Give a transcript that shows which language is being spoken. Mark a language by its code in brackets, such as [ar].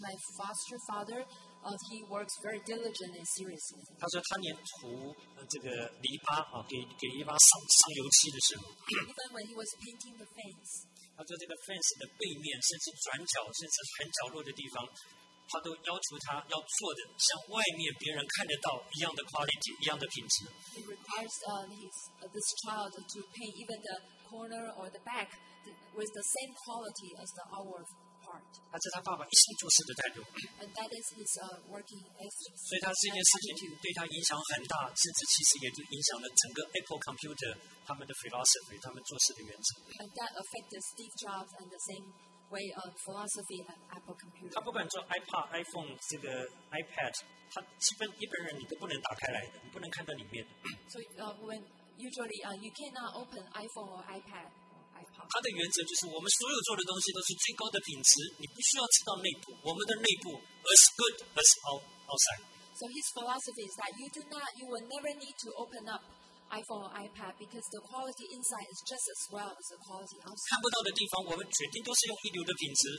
[en] my foster father, he works very diligently and seriously. [zh] 他说他连涂这个篱笆啊，给篱笆上油漆的时候。 [en] Even when he was painting the fence. [zh] 他说这个 fence 的背面，甚至转角，甚至很角落的地方。他都要求他要做的像外面别人看得到一样的 quality 一样的品质。 [en] He requires this child to paint even the corner or the back with the same quality as the outward part. [zh] 那是他爸爸一生做事的态度。 [en] And that is his working ethic. [zh] 所以他这件事情对他影响很大，甚至其实也就影响了整个 Apple Computer 他们的 philosophy 他们做事的原则。 [en] And that affected Steve Jobs and the same. Way of philosophy at Apple Computer. [zh] 他不管做 iPad、 iPhone 这个 iPad， 他基本一般人你都不能打开来的，你不能看到里面的。 [en] So when usually you cannot open iPhone or iPad or iPod. [zh] 他的原则就是我们所有做的东西都是最高的品质，你不需要知道内部，我们的内部 [en] as good as outside. So his philosophy is that you will never need to open up iPhone or iPad because the quality inside is just as well as the quality outside. [zh] 看不到的地方，我们决定都是用一流的品质。